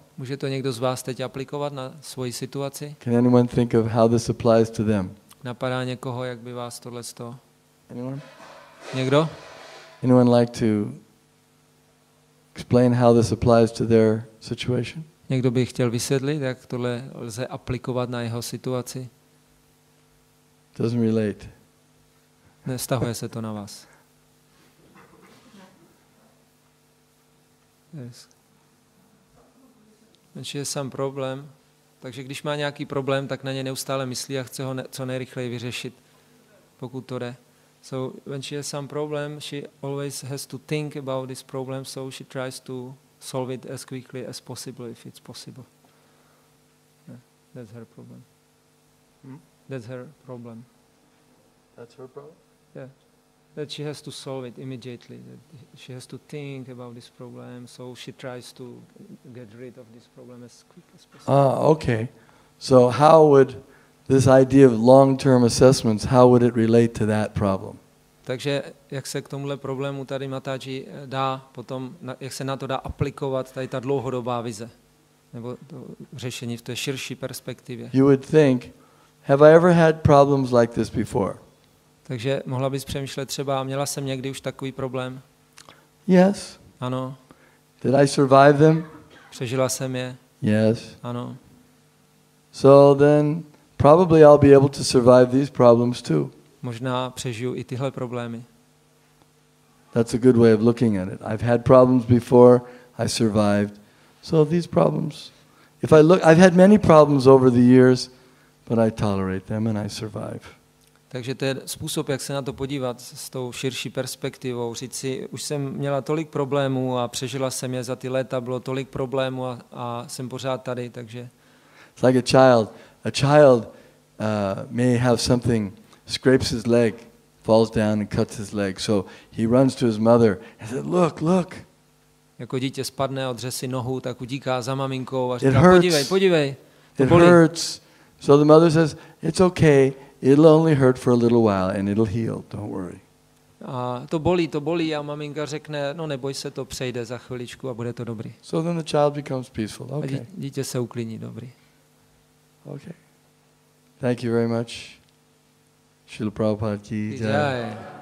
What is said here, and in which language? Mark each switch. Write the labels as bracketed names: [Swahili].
[Czech] Může to někdo z vás teď aplikovat na svoji situaci? [English] Can anyone think of how this applies to them? [Czech] Napadá někoho, jak by vás tohle z toho? [English] Anyone? [Czech] Někdo? [English] Anyone like to explain how this applies to their situation? [Czech] Někdo by chtěl vysvětlit, jak tohle lze aplikovat na jeho situaci? [English] Doesn't relate. [Czech] Nestahuje se to na vás. [English] Yes. [Czech] Takže je sám problém. Takže když má nějaký problém, tak na ně neustále myslí a chce ho co nejrychleji vyřešit, pokud to jde. [English] So when she has some problem, she always has to think about this problem, so she tries to solve it as quickly as possible, if it's possible. Yeah, that's her problem. That's her problem? Yeah. That she has to solve it immediately. That she has to think about this problem, so she tries to get rid of this problem as quick as possible. Ah, okay. So how would this idea of long-term assessments, how would it relate to that problem? [Czech] Takže jak se k tomhle problému tady Mataji dá potom, jak se na to dá aplikovat tady ta dlouhodobá vize nebo to řešení v té širší perspektivě? [English] You would think, have I ever had problems like this before? [Czech] Takže mohla bys přemýšlet třeba, měla jsem někdy už takový problém? [English] Yes. [Czech] Ano. [English] Did I survive them? [Czech] Přežila jsem je. [English] Yes. [Czech] Ano. [English] So then probably I'll be able to survive these problems too. [Czech] Možná přežiju i tyhle problémy. [English] That's a good way of looking at it. I've had problems before, I survived. So these problems, if I look, I've had many problems over the years, but I tolerate them and I survive. [Czech] Takže to je způsob, jak se na to podívat s tou širší perspektivou. Říct si, už jsem měla tolik problémů a přežila jsem je za ty léta, bylo tolik problémů a jsem pořád tady, takže... [English] It's like a child. A child may have something, scrapes his leg, falls down and cuts his leg. So he runs to his mother and says, look, look. [Czech] Jako dítě spadne a odře si nohu, tak utíká za maminkou a říká, podívej, podívej. [English] It hurts. So the mother says, it's okay. It'll only hurt for a little while and it'll heal. Don't worry. [Czech] To bolí a maminka řekne, no neboj se, to přejde za chviličku a bude to dobrý. [English] So then the child becomes peaceful. Okay. [Czech] Dítě se uklidní, dobrý. [English] Okay. Thank you very much. Srila Prabhupada ki jai.